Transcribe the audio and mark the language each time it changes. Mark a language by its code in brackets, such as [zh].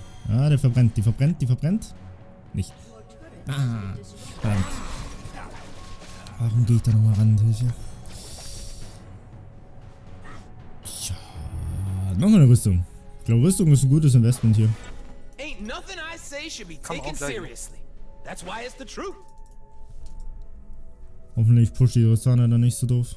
[de] Ah, der verbrennt, die verbrennt, die verbrennt. Nicht. Ah, verdammt. Warum gehe ich da nochmal ran, Hilfe? Tja, nochmal eine Rüstung. Ich glaube, Rüstung ist ein gutes Investment hier. [en] Ain't nothing I say should be taken seriously. That's why it's the truth. [de] Hoffentlich pusht die Rosana da nicht so doof.